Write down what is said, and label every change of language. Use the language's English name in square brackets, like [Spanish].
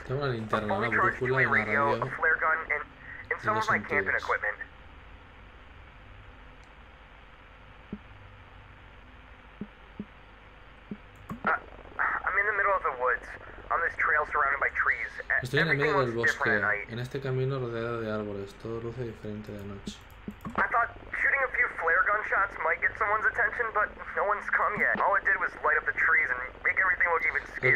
[English] a fully charged relay radio, a flare gun, and some of my camping equipment. I'm in the middle of the woods, on this trail surrounded by trees. [Spanish] Estoy en el medio del bosque, en este camino rodeado de árboles, todo luce diferente de noche. [English] I thought shooting a few flare gunshots might get someone's attention, but no one's come yet. All it did was light up the trees and make everything look even scarier.